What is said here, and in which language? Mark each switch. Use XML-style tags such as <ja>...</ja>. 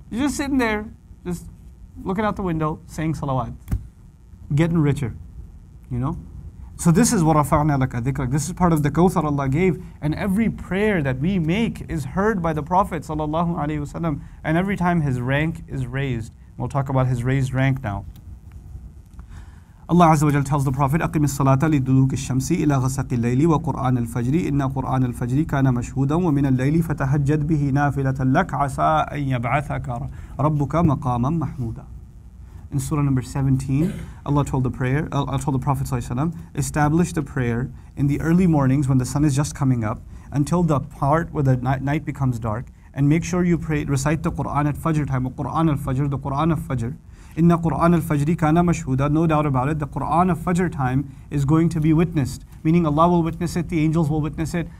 <en>You're just sitting there, just looking out the window, saying salawat. Getting richer, you know? So this is what</en> <ar>rafa'na laka dhikrak.</ar> <en>This is part of the kawthar Allah gave. And every prayer that we make is heard by the Prophet sallallahu alayhi wasallam. And every time his rank is raised. We'll talk about his raised rank now. Allah Azza wa Jalla tells the Prophet,</en> <ar>أقم الصلاة لدلوك الشمس إلى غسق الليل وقرآن الفجر إن قرآن الفجر كان مشهودا ومن الليل فتهجد به نافلة لك عسى أن يبعثك ربك مقاما محمودا.</ar> <en>In Surah number 17, Allah told the Prophet ﷺ, establish the prayer in the early mornings when the sun is just coming up until the part where the night becomes dark, and make sure you pray, recite the Quran at Fajr time, the Quran of Fajr.</en> <ar>Inna Quran al Fajr kana mashhuda,</ar> <en>no doubt about it, the Quran of Fajr time is going to be witnessed, meaning Allah will witness it, the angels will witness it.</en>